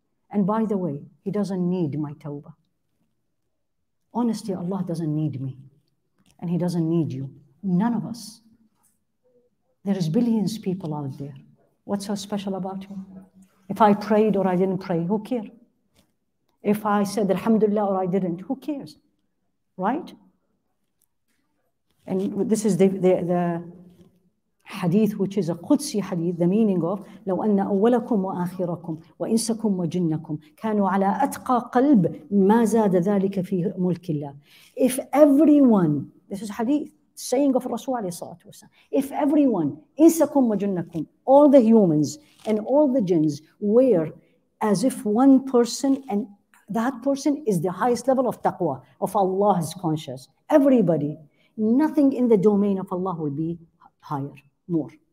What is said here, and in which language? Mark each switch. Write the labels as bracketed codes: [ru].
[en] And by the way, He doesn't need my tawbah. Honestly, Allah doesn't need me. And He doesn't need you. None of us. There is billions of people out there. What's so special about you? If I prayed or I didn't pray, who cares? If I said alhamdulillah or I didn't, who cares? Right? And this is the hadith, which is a Qudsi hadith, the meaning of [ar] لو أن أولكم وآخركم وإنسكم وجنكم كانوا على أتقى قلب ما زاد ذلك في ملك الله. [en] If everyone, this is hadith, saying of Rasulullah, if everyone, إنسكم وجنكم, all the humans and all the jinns were as if one person, and that person is the highest level of taqwa, of Allah's conscious, everybody, nothing in the domain of Allah will be higher, more.